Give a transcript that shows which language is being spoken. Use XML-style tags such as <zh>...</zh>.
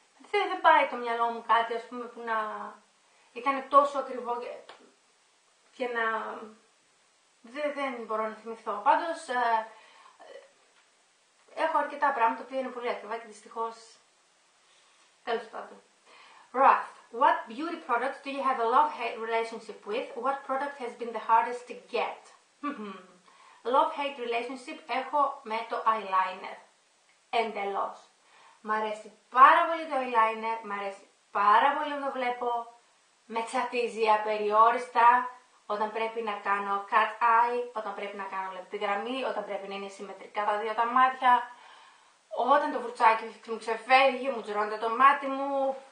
<el>Δεν πάει το μυαλό μου κάτι, ας πούμε, που να ήταν τόσο ακριβό και να δεν μπορώ να θυμηθώ. Πάντως, έχω αρκετά πράγματα που είναι πολύ ακριβά και δυστυχώς, τέλος πάντων.</el> <en>Ruth, what beauty product do you have a love-hate relationship with? What product has been the hardest to get?</en> <el>Love-hate relationship έχω με το eyeliner. Εντελώς. Μ' αρέσει πάρα πολύ το eyeliner, μ' αρέσει πάρα πολύ να το βλέπω. Με τσατίζει απεριόριστα όταν πρέπει να κάνω cut eye, όταν πρέπει να κάνω λεπτή γραμμή, όταν πρέπει να είναι συμμετρικά τα δύο τα μάτια, όταν το βουρτσάκι μου ξεφεύγει, μου τζουρώνεται το μάτι μου.</el>